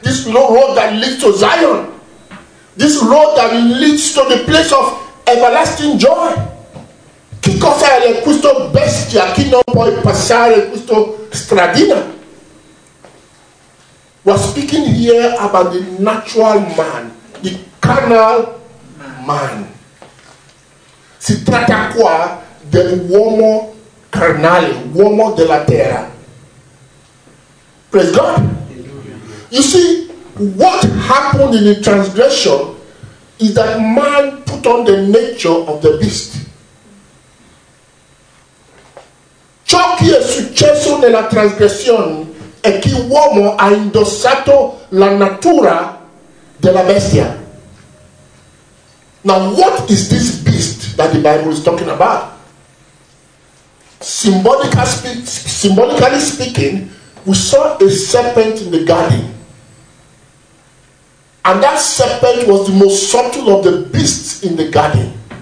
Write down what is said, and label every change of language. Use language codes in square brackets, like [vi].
[en] This road that leads to Zion. This road that leads to the place of everlasting joy. [it] Che cosa è questo bestia? Che non puoi passare questo stradina? [en] We're speaking here about the natural man, the carnal man. [it] Si tratta qua del uomo carnale, uomo della terra. [en] Praise God. You see, what happened in the transgression is that man put on the nature of the beast. [it] Ciò che è successo nella trasgressione è che l'uomo ha indossato la natura della bestia. [en] Now, what is this beast that the Bible is talking about? Symbolically speaking, we saw a serpent in the garden. And that serpent was the most subtle of the beasts in the garden.